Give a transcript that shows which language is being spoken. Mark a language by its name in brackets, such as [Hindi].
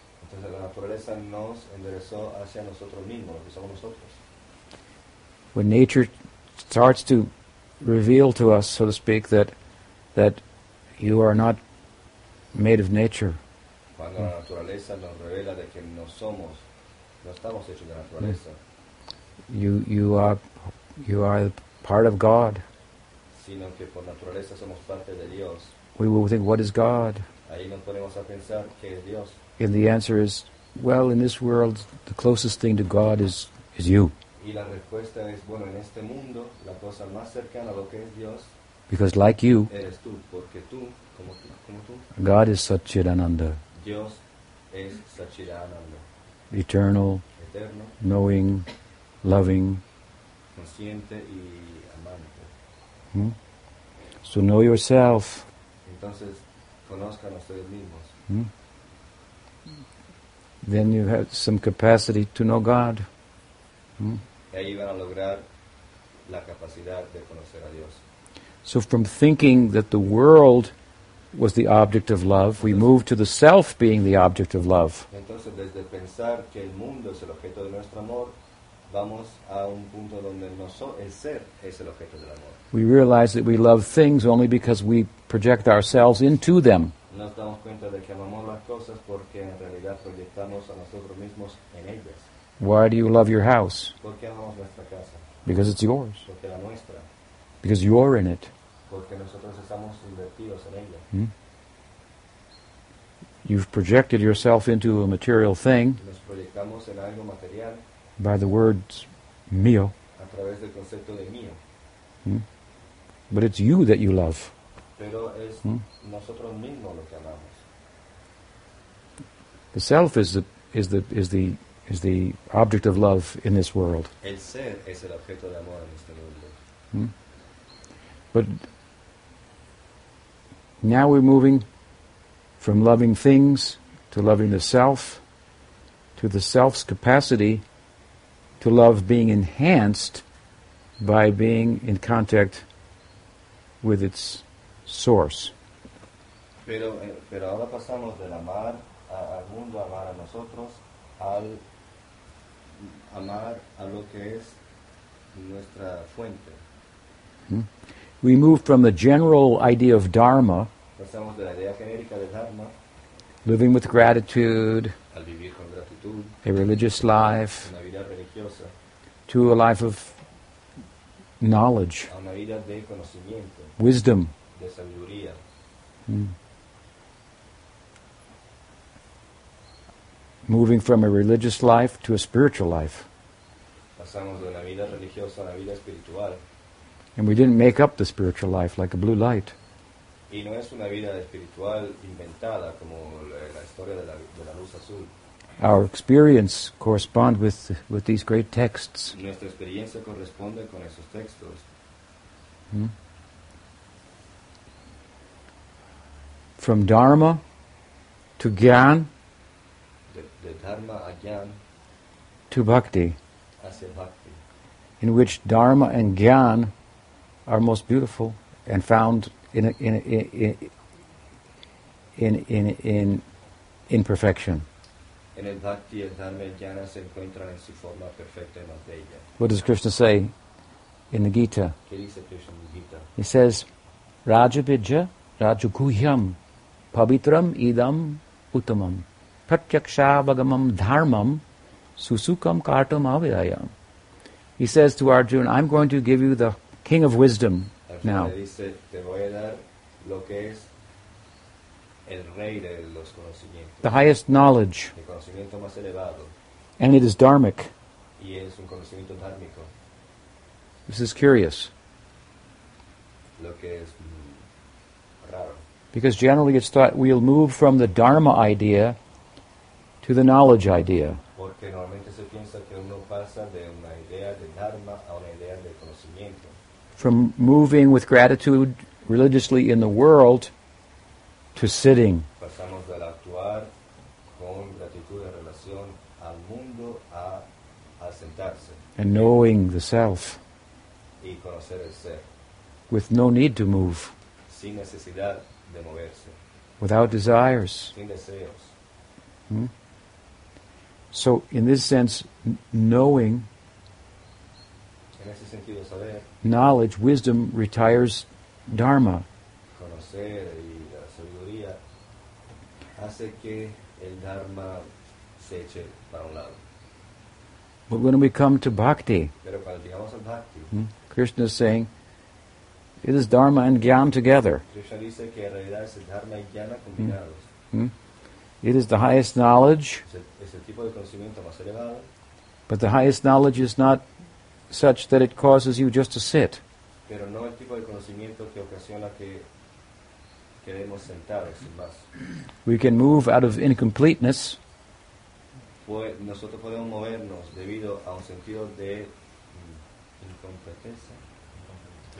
[Spanish] Entonces la naturaleza nos enderezó hacia nosotros mismos, lo que somos nosotros. [English] When nature starts to reveal to us, so to speak, that you are not made of nature. [Spanish] Cuando la naturaleza nos revela de que no estamos hechos de naturaleza. [English] You are part of God. [Spanish] Sino que por naturaleza somos parte de Dios. [English] We will think, what is God? [Spanish] Ahí nos ponemos a pensar, ¿qué es Dios? [English] And the answer is, well, in this world, the closest thing to God is you. [Spanish] Y la respuesta es, bueno, en este mundo, la cosa más cercana a lo que es Dios, [English] because like you, [Spanish] eres tú, porque tú, como tú, [English] God is Satchidananda. [Spanish] Dios es Satchidananda. [English] Eternal, [Spanish] eterno, [English] knowing, loving, [Spanish] consciente y amante. [English] So know yourself. [Spanish] Entonces, conozcan a ustedes mismos. [English] Then you have some capacity to know God. [Spanish] Y ahí van a lograr la capacidad de conocer a Dios. [English] So from thinking that the world was the object of love, we move to the self being the object of love. [Spanish] Entonces, desde pensar que el mundo es el objeto de nuestro amor, vamos a un punto donde el ser es el objeto del amor. [English] We realize that we love things only because we project ourselves into them. [Spanish] Nos damos cuenta de que amamos las cosas porque en realidad proyectamos a nosotros mismos en ellas. [English] Why do you love your house? [Spanish] Porque amamos nuestra casa. [English] Because it's yours. [Spanish] Porque la nuestra. [English] Because you're in it. [Spanish] Porque nosotros estamos invertidos en ella. [English] You've projected yourself into a material thing. [Spanish] Nos proyectamos en algo material. [English] By the word mío. [Spanish] A través del concepto de mío. [English] But it's you that you love. [Spanish] Pero es nosotros mismos lo que amamos. [English] The self is the object of love in this world. [Spanish] El ser es el objeto de amor en este mundo. [English] But now we're moving from loving things to loving the self, to the self's capacity to love being enhanced by being in contact with its source. [Spanish] Pero ahora pasamos del amar al mundo, amar a nosotros, al amar a lo que es nuestra fuente. [English] We move from the general idea of dharma, [Spanish] pasamos de la idea genérica de dharma, [English] living with gratitude, [Spanish] al vivir con gratitud, [English] a religious life, [Spanish] una vida religiosa, [English] to a life of knowledge, [Spanish] a una vida de conocimiento, [English] wisdom, [Spanish] de sabiduría. [English] Moving from a religious life to a spiritual life. [Spanish] Pasamos de una vida religiosa a una vida espiritual. [English] And we didn't make up the spiritual life like a blue light. [Spanish] Y no es una vida espiritual inventada como la historia de la luz azul. [English] Our experience corresponds with these great texts. [Spanish] Nuestra experiencia corresponde con esos textos. [English] From dharma to gyan, [Spanish] de dharma a gyan, [English] to bhakti, [Spanish] hacia bhakti, [English] in which dharma and gyan are most beautiful and found in perfection. [Spanish] En el bhakti, el dharma y el jnana se encuentran en su forma perfecta y más bella. [English] What does Krishna say in the Gita? [Spanish] ¿Qué dice Krishna en el Gita? [English] He says, [Sanskrit] Rajabhijja Rajaguhyam Pavitram Idam Uttamam Pratyakshavagamam Dharmam Susukam Kartam Avidayam. [English] He says to Arjuna, I'm going to give you the King of Wisdom now. [Spanish] Dice, te voy a dar lo que es el rey de los conocimientos. [English] The highest knowledge. [Spanish] El conocimiento más elevado. [English] And it is dharmic. [Spanish] Y es un conocimiento dharmico. [English] This is curious. [Spanish] Lo que es raro. [English] Because generally it's thought we'll move from the dharma idea to the knowledge idea. [Spanish] Porque normalmente se piensa que uno pasa de una idea de dharma a una idea de conocimiento. [English] From moving with gratitude religiously in the world to sitting. [Spanish] Pasamos del actuar con gratitud en relación al mundo a sentarse. [English] And knowing the self. [Spanish] Y conocer el ser. [English] With no need to move. [Spanish] Sin necesidad de moverse. [English] Without desires. [Spanish] Sin deseos. [English] So in this sense, knowing, [Spanish] en ese sentido, saber, [English] knowledge, wisdom, retires dharma. [Spanish] Conocer y la sabiduría hace que el dharma se eche para un lado. [English] But when we come to bhakti, [Spanish] pero cuando llegamos al bhakti, [English] Krishna is saying, it is dharma and gyan together. [Spanish] Krishna dice que en realidad es dharma y gyan combinados. [English] It is the highest knowledge. [Spanish] Es el tipo de conocimiento más elevado. [English] But the highest knowledge is not such that it causes you just to sit. [Spanish] Pero no el tipo de conocimiento que ocasiona que queremos sentados sin más. [English] We can move out of incompleteness. [Spanish] Nosotros podemos movernos debido a un sentido de incompetencia.